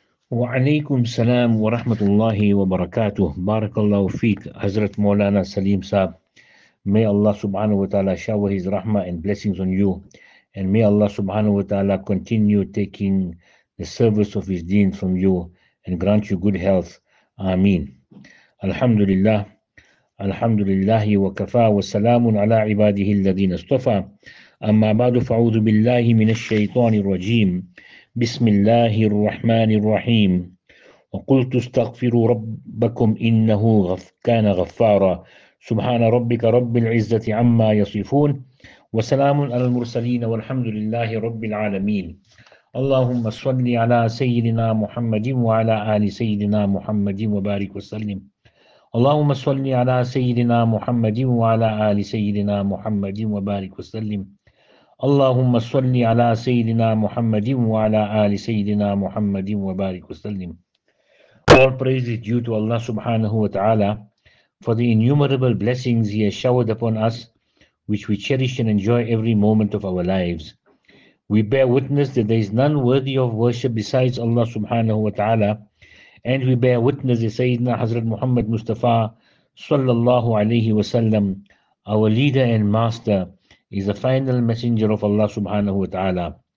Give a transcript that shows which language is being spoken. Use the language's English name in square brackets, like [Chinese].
[Arabic] وعليكم السلام ورحمة الله وبركاته. بارك الله فيك حضرة مولانا سليم صاحب. [English] May Allah subhanahu wa ta'ala shower his rahmah and blessings on you. And may Allah subhanahu wa ta'ala continue taking the service of his deen from you and grant you good health. [Arabic] Ameen. Alhamdulillah. Alhamdulillah wa kafa wa salamun ala ibadihi alladhina astafa. Amma ba'du fa'udhu billahi minash shaytani rajim. بسم الله الرحمن الرحيم وقلت استغفروا ربكم إنه كان غفارا سبحان ربك رب العزة عما يصفون وسلام على المرسلين والحمد لله رب العالمين اللهم صل على سيدنا محمد وعلى آل سيدنا محمد وبارك وسلم اللهم صل على سيدنا محمد وعلى آل سيدنا محمد وبارك وسلم اللهم صل على سيدنا محمد وعلى آل سيدنا محمد وبارك وسلم. [English] All praise is due to Allah subhanahu wa ta'ala for the innumerable blessings He has showered upon us, which we cherish and enjoy every moment of our lives. We bear witness that there is none worthy of worship besides Allah subhanahu wa ta'ala, and we bear witness that Sayyidina Hazrat Muhammad Mustafa sallallahu alayhi wa sallam, our leader and master, is the final messenger of Allah subhanahu wa ta'ala.